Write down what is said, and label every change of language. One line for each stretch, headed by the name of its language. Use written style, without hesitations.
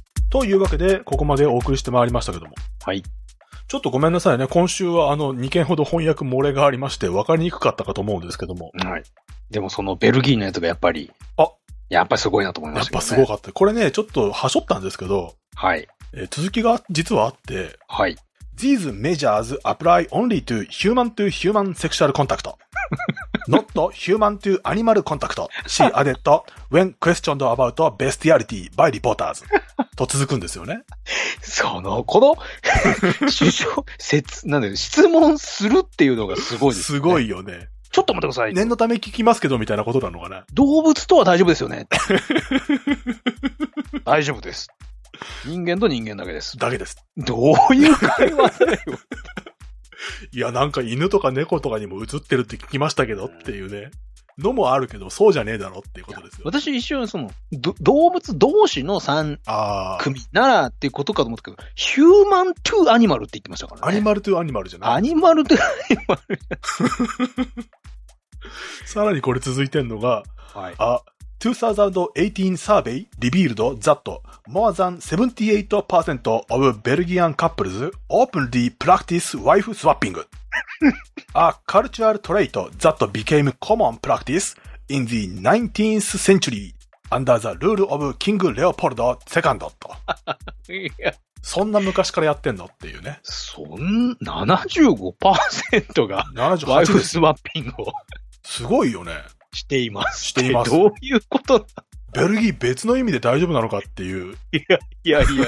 Japanese: というわけで、ここまでお送りしてまいりましたけども。はい。ちょっとごめんなさいね。今週は2件ほど翻訳漏れがありまして、分かりにくかったかと思うんですけども。はい。でもそのベルギーのやつがやっぱり。あ、やっぱりすごいなと思いましたね。やっぱすごかった。これね、ちょっと端折ったんですけど。はい。続きが実はあって。はい。
English: These measures apply only to human sexual contact. Not human to animal contact. She added when questioned about bestiality by reporters.
Japanese: と続くんですよね。その、この、首相、説、なんだよ、質問するっていうのがすごいですね。すごいよね。ちょっと待ってください。念のため聞きますけど、みたいなことなのかな。動物とは大丈夫ですよね。大丈夫です。人間と人間だけです。だけです。どういう会話だよ。いや、なんか犬とか猫とかにも映ってるって聞きましたけどっていうね。のもあるけど、そうじゃねえだろっていうことですよ。私一瞬、その、動物同士の3組ならっていうことかと思ったけど、ヒューマントゥーアニマルって言ってましたからね。アニマルトゥーアニマルじゃない。アニマルトゥーアニマル。さらにこれ続いてんのが、はい、
English: あ、2018 survey revealed that more than 78% of Belgian couples openly practice wife swapping. A cultural trait that became common practice in the 19th century under the rule of King Leopold II と。
Japanese: そんな昔からやってんのっていうね。そん、75% がワイフスワッピングを。すごいよね。しています。しています。どういうことだ。ベルギー別の意味で大丈夫なのかっていう。いや。